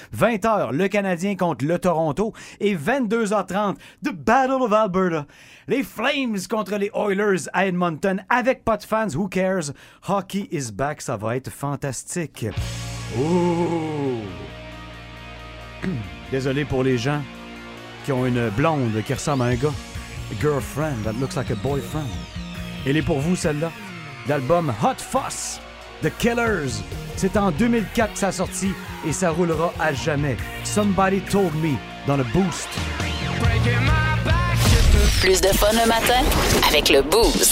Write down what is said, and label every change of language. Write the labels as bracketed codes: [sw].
[fr] 20h, le Canadien contre le Toronto. Et 22h30, The Battle of Alberta. Les Flames contre les Oilers à Edmonton. Avec pas de fans, [en] who cares? Hockey is back, [fr] ça va être fantastique. Ouh! Désolé pour les gens qui ont une blonde qui ressemble à un gars. [en] A girlfriend that looks like a boyfriend. [fr] Elle est pour vous, celle-là. L'album Hot Fuss, The Killers. C'est en 2004 que ça a sorti et ça roulera à jamais. Somebody Told Me dans le Boost. Plus de fun le matin avec le Boost.